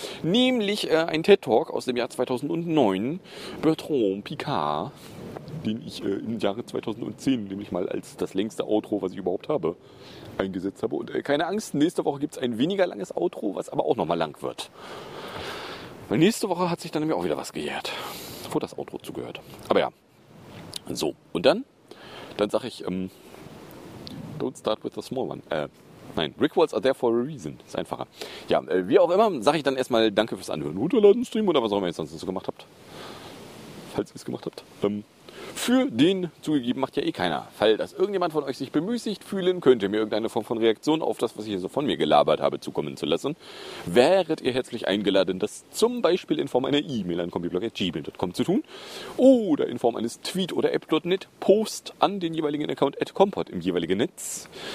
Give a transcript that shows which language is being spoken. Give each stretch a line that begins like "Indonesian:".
German: Nämlich ein TED-Talk aus dem Jahr 2009. Bertrand Piccard, den ich im Jahre 2010 nämlich mal als das längste Outro, was ich überhaupt habe, eingesetzt habe. Und keine Angst, nächste Woche gibt es ein weniger langes Outro, was aber auch nochmal lang wird. Nächste Woche hat sich dann nämlich auch wieder was gejährt, wo das Outro zugehört. Aber ja, so. Und dann sage ich,
English: don't start with the small one. Nein, Rick Walls are there for a reason.
German: Ist einfacher. Ja, wie auch immer, sage ich dann erstmal danke fürs Anhören. Runterladen, streamen oder was auch immer ihr sonst so gemacht habt. Falls ihr es gemacht habt. Für den zugegeben macht ja eh keiner. Falls das irgendjemand von euch sich bemüßigt fühlen könnte, mir irgendeine Form von Reaktion auf das, was ich hier so von mir gelabert habe, zukommen zu lassen, wäret ihr herzlich eingeladen, das zum Beispiel in Form einer E-Mail an kompiblog@gmail.com zu tun oder in Form eines Tweet oder app.net Post an den jeweiligen Account @kompot im jeweiligen Netz.